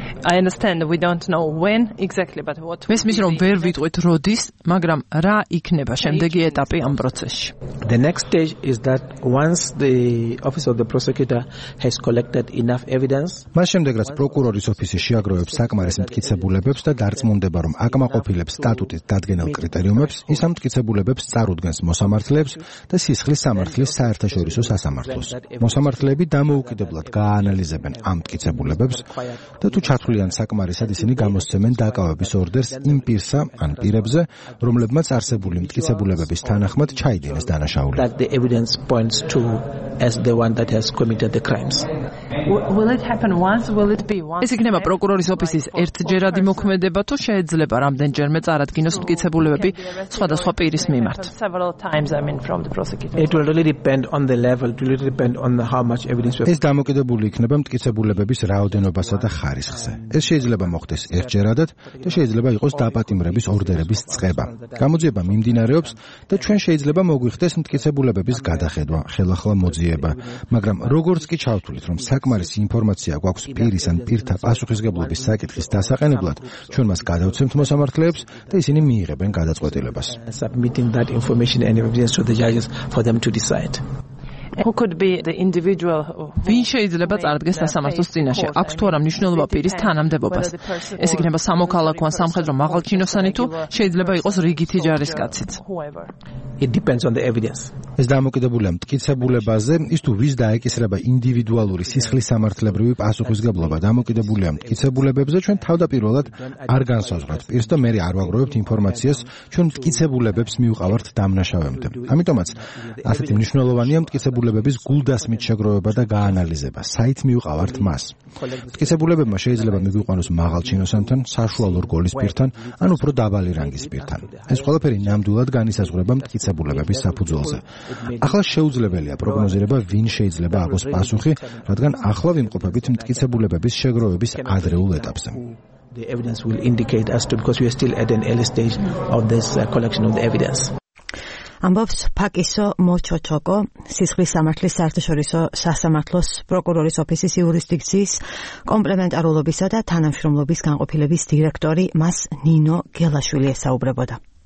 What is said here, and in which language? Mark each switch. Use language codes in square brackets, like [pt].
[en] I understand we don't know when exactly but what [ka] მის მიზრომ ვერ ვიტყვით როდის, მაგრამ რა იქნება შემდეგი ეტაპი ამ პროცესში. [en] The next stage is that once the office of the prosecutor has collected enough evidence, [ka] მას შემდეგ რაც პროკურორის ოფისი შეაგროვებს საკმარის მტკიცებულებებს და დარწმუნდება რომ აკმაყოფილებს სტატუტის დადგენილ კრიტერიუმებს, ის ამ მტკიცებულებებს წარუდგენს მოსამართლეებს და სისხლის სამართლის საერთაშორისო სასამართლოს. მოსამართლეები დამოუკიდებლად გააანალიზებენ ამ მტკიცებულებებს და თუ ჩათვლიან საკმარისად ისინი გამოსცემენ დაკავების ორდერს იმ პირსა ან პირებზე, რომლებმაც არსებული მტკიცებულებების თანახმად ჩაიდინეს დანაშაული. [en] That the evidence points to as the one that has committed the crimes. Will it happen once? Will it be once? [ka] ეს იქნება პროკურორის ოფისის ერთჯერადი მოქმედება თუ შეიძლება რამდენჯერმე წარადგინოს მტკიცებულებები სხვადასხვა პირის მიმართ? [en] Several times I mean from the prosecutor. It will really depend on the level, it will depend on how much evidence we have. [ka] ეს დამოკიდებული იქნება მტკიცებულებების რაოდენობასა და ხარისხზე. ეს შეიძლება მოხდეს ერთჯერადად და შეიძლება იყოს დაპატიმრების ორდერების წყება. გამოძიება მიმდინარეობს და ჩვენ შეიძლება მოგვიხდეს მტკიცებულებების გადახედვა, ხელახლა მოძიება, მაგრამ როგორც კი ჩავთვლით, რომ საკმარისი ინფორმაცია გვაქვს პირის ან პირთა პასუხისგებლობის საკითხის დასაყენებლად, ჩვენ მას გადავცემთ მოსამართლეებს და ისინი მიიღებენ გადაწყვეტილებას. [en] Submitting that information and evidence to the judges for them to decide. Who could be the individual [ka] ვინ შეიძლება წარდგეს სასამართლოს წინაშე აქვს თუ არა მნიშვნელობა პირის თანამდებობას ეს იქნება სამოქალაქო ან სამხედრო მაღალჩინოსანი თუ შეიძლება იყოს რიგითი ჯარისკაციც [en] It depends on the evidence [ka] ეს დამოკიდებულია მტკიცებულებაზე ის თუ ვის დაეკისრება ინდივიდუალური სისხლის სამართლებრივი პასუხისგებლობა დამოკიდებულია მტკიცებულებებზე ჩვენ თავდაპირველად არ განსაზღვრავთ პირს და მე არ ვაგროვებთ ინფორმაციას ჩვენ მტკიცებულებებს მიუყავართ დამნაშავემდე ამიტომაც ასეთი მნიშვნელოვანია მტკიცებულებების გულდასმით შეგროვება და გაანალიზება. საით მიუყავართ მას. მტკიცებულებებმა შეიძლება მიგვიყვანოს მაღალჩინოსანთან, საშუალო რგოლის პირთან, ან უფრო დაბალი რანგის პირთან. ეს ყველაფერი ნამდვილად განისაზღვრება მტკიცებულებების საფუძველზე. ახლა შეუძლებელია პროგნოზირება, ვინ შეიძლება აგოს პასუხი, რადგან ახლა ვიმყოფებით მტკიცებულებების შეგროვების ადრეულ ეტაპზე. [en] The evidence will indicate as to because we are still at an early stage of this collection of the evidence. [ka] ამბობს ფაკისო მოჩოჩოკო, სისხლის სამართლის საერთაშორისო სასამართლოს პროკურორის ოფისის იურისდიქციის კომპლემენტარულობისა და თანამშრომლობის განყოფილების დირექტორი მას ნინო გელაშვილი ესაუბრებოდა.